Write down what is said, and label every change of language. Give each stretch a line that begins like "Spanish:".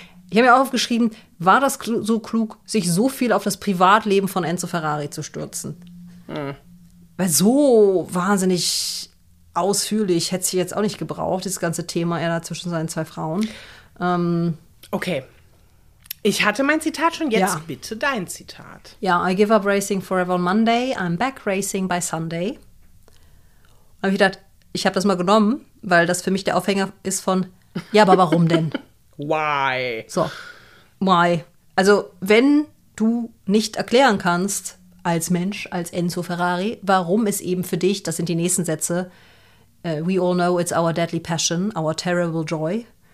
German: Ich habe mir auch aufgeschrieben, war das so klug, sich so viel auf das Privatleben von Enzo Ferrari zu stürzen? Hm. Weil so wahnsinnig ausführlich hätte sie jetzt auch nicht gebraucht, dieses ganze Thema, er da zwischen seinen zwei Frauen. Okay. Ich hatte mein Zitat schon, jetzt bitte dein Zitat.
English: Ja, I give up racing forever on Monday, I'm back racing by Sunday.
German: Da habe ich gedacht, ich habe das mal genommen, weil das für mich der Aufhänger ist von, ja, aber warum denn?
English: Why? So, why?
German: Also, wenn du nicht erklären kannst, als Mensch, als Enzo Ferrari, warum ist eben für dich, das sind die nächsten Sätze,
English: we all know it's our deadly passion, our terrible joy.